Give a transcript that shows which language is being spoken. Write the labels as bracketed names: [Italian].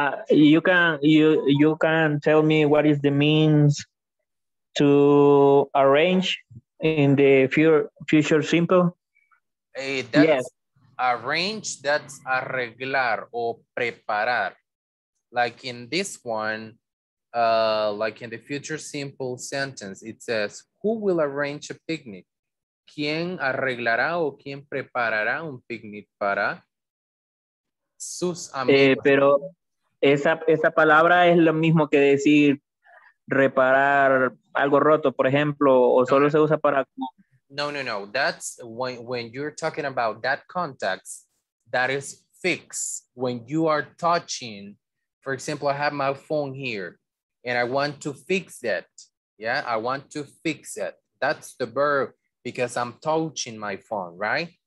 [English] You can tell me what is the means to arrange in the future simple? Yes. Arrange, that's arreglar or preparar. Like in this one, like in the future simple sentence, it says, who will arrange a picnic? [Spanish] ¿Quién arreglará o quién preparará un picnic para sus amigos? Pero esa palabra es lo mismo que decir reparar algo roto, por ejemplo, o solo se usa para... No. [English] That's when you're talking about that context, that is fixed. When you are touching, for example, I have my phone here and I want to fix it. Yeah, I want to fix it. That's the verb because I'm touching my phone, right?